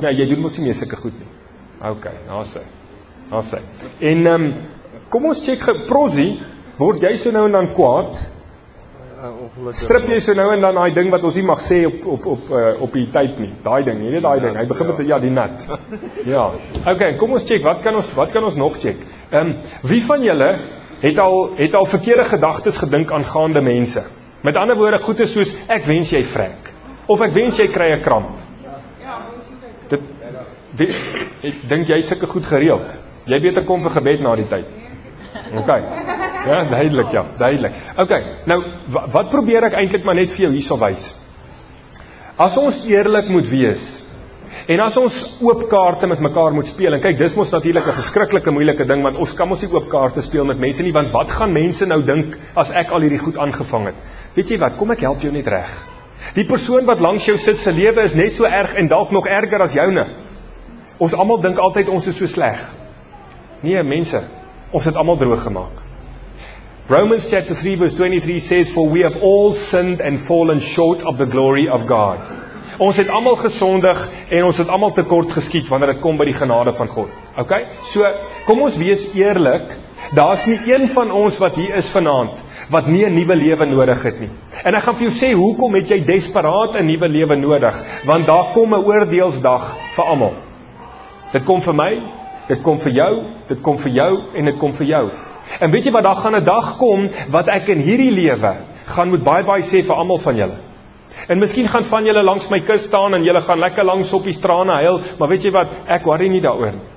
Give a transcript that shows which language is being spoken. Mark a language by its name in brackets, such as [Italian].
[Afrikaans] Nee, jy doen mos nie meer sulke goed nie. Ok, na sy. En kom ons check, Prozzi, word jy so nou en dan kwaad? Strip jy so nou en dan daai ding wat ons nie mag sê op die tyd nie. Daai ding, nie daai ding. Hy begin met ja, die nat. Ja. OK, kom ons check. Wat kan ons nog check? Wie van julle het al verkeerde gedagtes gedink aangaande mense? Met ander woorde, goed is soos ek wens jy vrek of ek wens jy kry 'n kramp. Ja, wens jy vrek. Ek dink jy sulke goed gereeld. Jy beter kom vir gebed na die tyd. OK. Ja, duidelik, ja, duidelik. Ok, nou, wat probeer ek eintlik maar net vir jou hierso wys? As ons eerlik moet wees, en as ons oop kaarte met mekaar moet speel, en kyk, dis mos natuurlik 'n verskriklike moeilike ding, want ons kan mos nie oop kaarte speel met mense nie, want wat gaan mense nou dink as ek al hierdie goed aangevang het? Weet jy wat, kom ek help jou net reg. Die persoon wat langs jou sit, sy lewe is net so erg en dalk nog erger as joune. Ons allemaal dink altyd ons is so sleg. Nee, mense, ons het allemaal droog gemaak. [English] Romans chapter 3 verse 23 says, for we have all sinned and fallen short of the glory of God. [Afrikaans] Ons het allemaal gesondig en ons het allemaal tekort geskiet wanneer het kom by die genade van God. Ok, so kom ons wees eerlik, daar is nie een van ons wat hier is vanavond, wat nie [Dutch] een nieuwe leven [Afrikaans] nodig het nie. En ek gaan vir jou sê, hoekom het jy desperaat [Dutch] een nieuwe leven [Afrikaans] nodig? Want daar kom een oordeelsdag vir allemaal. Dit kom vir my, dit kom vir jou, dit kom vir jou en dit kom vir jou. En weet jy wat, daar gaan 'n dag kom wat ek in hierdie lewe gaan moet bye-bye sê vir almal van julle. En miskien gaan van julle langs my kus staan en julle gaan lekker langs op die strane huil, maar weet jy wat, ek worry nie daaroor.